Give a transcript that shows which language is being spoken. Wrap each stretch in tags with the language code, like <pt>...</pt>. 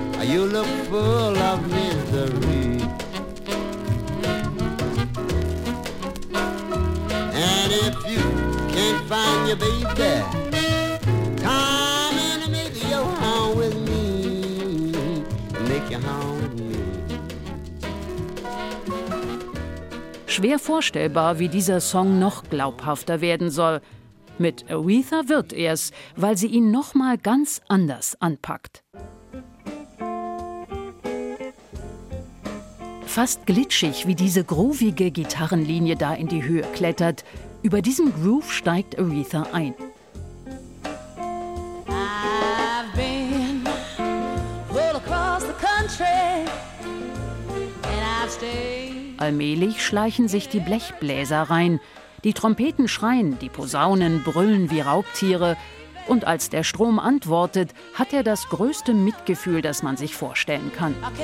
<en>You look full of misery, and if you can't find your baby, come and make your home with me, make your home with me.</en> <de>Schwer vorstellbar, wie dieser Song noch glaubhafter werden soll. Mit Aretha wird er's, weil sie ihn noch mal ganz anders anpackt. Fast glitschig, wie diese groovige Gitarrenlinie da in die Höhe klettert. Über diesem Groove steigt Aretha ein.</de> <en>I've been all across the country, and I've stayed.</en> <de>Allmählich schleichen sich die Blechbläser rein. Die Trompeten schreien, die Posaunen brüllen wie Raubtiere. Und als der Strom antwortet, hat er das größte Mitgefühl, das man sich vorstellen kann.</de>